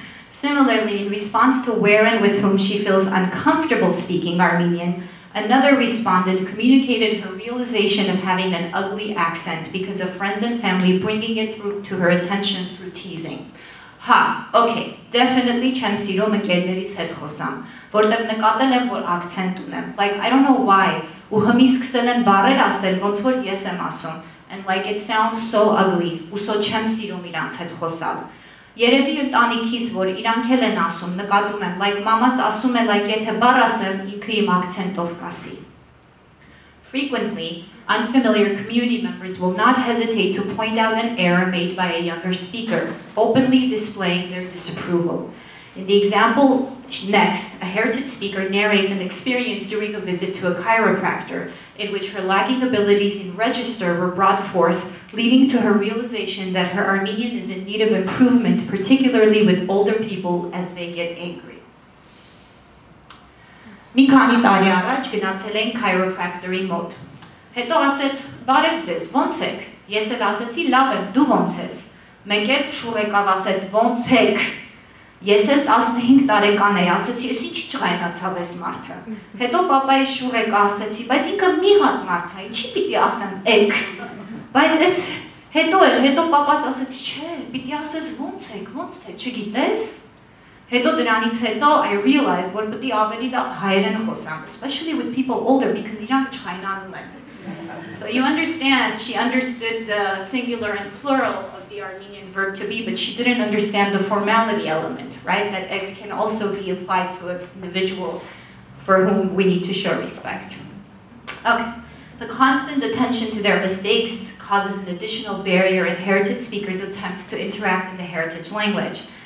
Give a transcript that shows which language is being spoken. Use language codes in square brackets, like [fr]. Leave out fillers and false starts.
[en] Similarly, in response to where and with whom she feels uncomfortable speaking Armenian, another respondent communicated her realization of having an ugly accent because of friends and family bringing it through to her attention through teasing. [hy] Ha, [en] okay, definitely [hy] չեմ սիրում ընկերներիս հետ խոսամ, որտեղ նկատել եմ, որ ակցենտ ունեմ. [en] Like, I don't know why, [hy] ու հմի սկսել են բարեր ասել, ոնց որ ես եմ ասում. [en] And like, it sounds so ugly, [hy] ու սո չեմ սիրում իրանց հետ խոսալ. Երևի ընտանիքիս, որ իրանք էլ են ասում, նկատում եմ, like, մամաս ասում է, like, եթե բար ասեմ, ինքը իմ ակցենտով կասի. [en] Frequently, unfamiliar community members will not hesitate to point out an error made by a younger speaker, openly displaying their disapproval. In the example next, a heritage speaker narrates an experience during a visit to a chiropractor in which her lagging abilities in register were brought forth, leading to her realization that her Armenian is in need of improvement, particularly with older people as they get angry. [hy] Մի քանի տարի առաջ գնացել էին chiropractor-ի մոտ. Հետո ասեց, բարև ձեզ, ո՞նց եք, ես էլ ասեցի, լավ եմ, դու ո՞նց ես, մեկ էլ շուր եկավ ասեց, ո՞նց եք, ես էլ 15 տարեկան էի, ասեցի, ես ինչ չղայնացավ ես մարդը, հետո պապայի շուր եկա ասեցի, բայց ինքը մի հատ մարդ է, ինչի պիտի ասեմ, եք, բայց ես հետո էլ, հետո պապաս ասեցի, չէ, պիտի ասես, ո՞նց եք, ո՞նց թե, չգիտես, հետո դրանից հետո [en] I realized, [hy] որ պիտի ավելի լավ հայերեն խոսամ, [en] especially with people older, because [hy] իրանք չայնանում են. [en] So you understand, she understood the singular and plural of the Armenian verb to be, but she didn't understand the formality element, right? That it can also be applied to an individual for whom we need to show respect. Okay, the constant attention to their mistakes causes an additional barrier in heritage speakers' attempts to interact in the heritage language.